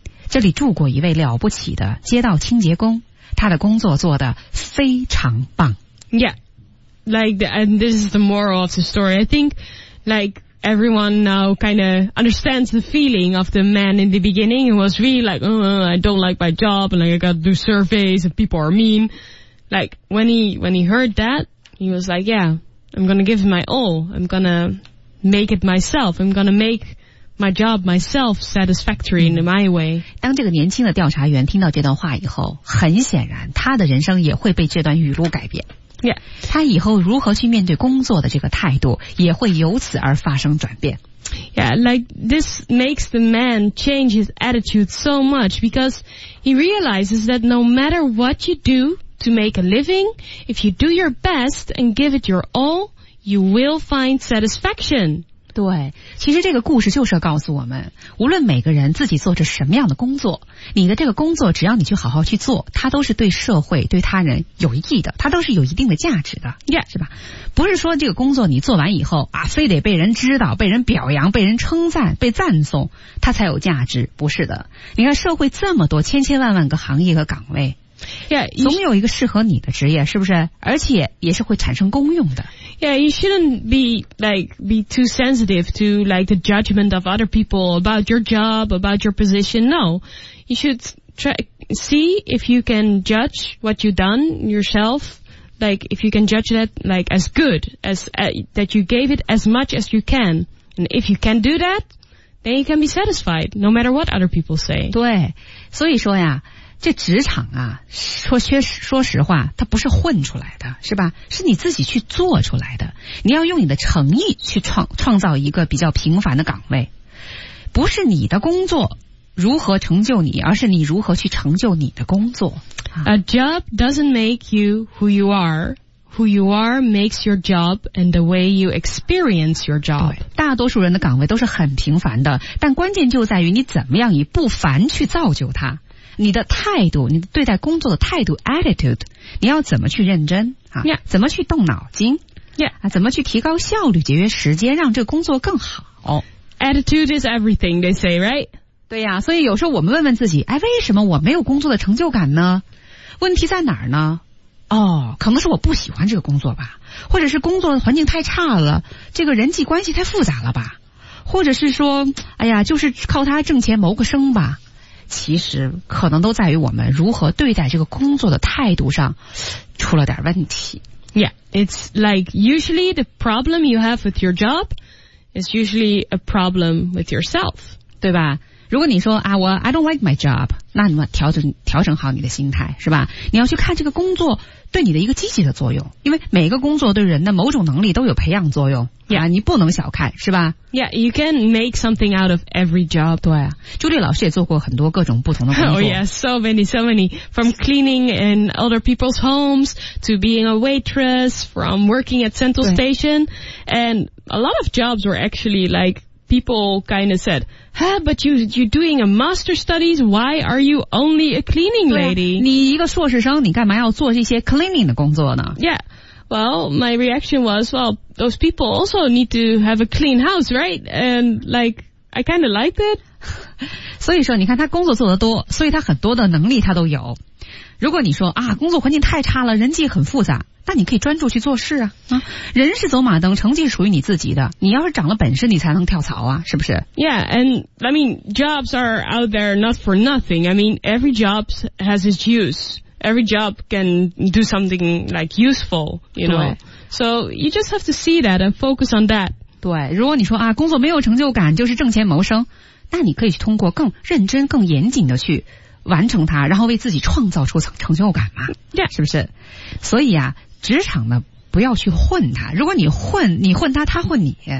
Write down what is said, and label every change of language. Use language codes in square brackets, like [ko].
[zh] 这里住过一位了不起的街道清洁工，他的工作做得非常棒。 [en] Yeah, like, and this is the moral of the story. I think, like, everyone now kind of understands the feeling of the man in the beginning. He was really like, oh, I don't like my job, and like, I gotta do surveys, and people are mean. Like, when he heard that, he was like, yeah, I'm gonna give him my all. I'm gonna make it myself. I'm gonna make my job myself satisfactory in my way. [zh] 当这个年轻的调查员听到这段话以后，很显然他的人生也会被这段语录改变。 [en] Yeah. [zh] 他以后如何去面对工作的这个态度也会由此而发生转变。 [en] Yeah, like this makes the man change his attitude so much because he realizes that no matter what you do to make a living, if you do your best and give it your all, you will find satisfaction. [zh] 对，其实这个故事就是告诉我们，无论每个人自己做着什么样的工作，你的这个工作只要你去好好去做，它都是对社会对他人有益的，它都是有一定的价值的。 [en] Yeah. [zh] 是吧，不是说这个工作你做完以后啊，非得被人知道，被人表扬，被人称赞，被赞颂，它才有价值，不是的。你看社会这么多千千万万个行业和岗位， [en] Yeah, [zh] 总有一个适合你的职业，是不是？而且也是会产生功用的。 [en] Yeah, you shouldn't be too sensitive to like the judgment of other people about your job, about your position. No, you should see if you can judge what you've done yourself. Like if you can judge that like as good as that you gave it as much as you can. And if you can do that, then you can be satisfied, no matter what other people say. [zh] 对，所以说呀。这职场啊，说实话，它不是混出来的，是吧？是你自己去做出来的。你要用你的诚意去创造一个比较平凡的岗位，不是你的工作如何成就你，而是你如何去成就你的工作。 [en] A job doesn't make you who you are. Who you are makes your job and the way you experience your job. [zh] 对，大多数人的岗位都是很平凡的，但关键就在于你怎么样以不凡去造就它。你的态度，你对待工作的态度 attitude， 你要怎么去认真啊？ [en] Yeah. [zh] 怎么去动脑筋？ [en] Yeah. [zh] 啊，怎么去提高效率，节约时间，让这个工作更好 [en] ？Attitude is everything, they say, right? [zh] 对呀，所以有时候我们问问自己，哎，为什么我没有工作的成就感呢？问题在哪儿呢？哦，可能是我不喜欢这个工作吧，或者是工作的环境太差了，这个人际关系太复杂了吧，或者是说，哎呀，就是靠他挣钱谋个生吧。其实可能都在于我们如何对待这个工作的态度上出了点问题。 [en] Yeah, it's like usually the problem you have with your job is usually a problem with yourself. [zh] 对吧，如果你说啊，我 [en] I don't like my job， [zh] 那你们调整好你的心态，是吧？你要去看这个工作对你的一个积极的作用，因为每个工作对人的某种能力都有培养作用。 [en] Yeah. [zh] 啊，你不能小看，是吧 [en] ？Yeah, you can make something out of every job. [zh] 对啊，朱莉老师也做过很多各种不同的工作。 [en] Oh yeah, so many, so many. From cleaning in other people's homes to being a waitress, from working at Central Station, and a lot of jobs were actually like. People kind of said, huh, but you're doing a master studies, why are you only a cleaning lady? [zh] 对啊，你一个硕士生，你干嘛要做这些 cleaning 的工作呢？ [en] Yeah, well, my reaction was, well, those people also need to have a clean house, right? And like, I kind of liked it. [zh] 所以说你看他工作做得多，所以他很多的能力他都有。如果你说啊，工作环境太差了，人际很复杂，那你可以专注去做事啊！啊，人是走马灯，成绩属于你自己的。你要是长了本事，你才能跳槽啊，是不是 [en] ？Yeah, and I mean, jobs are out there not for nothing. I mean, every job has its use. Every job can do something like useful, you know. So you just have to see that and focus on that. [zh] 对，如果你说啊，工作没有成就感，就是挣钱谋生，那你可以去通过更认真、更严谨的去。完成它，然后为自己创造出成就感嘛， [en] yeah. [zh] 是不是？所以啊，职场呢，不要去混它。如果你混，你混它，它混你。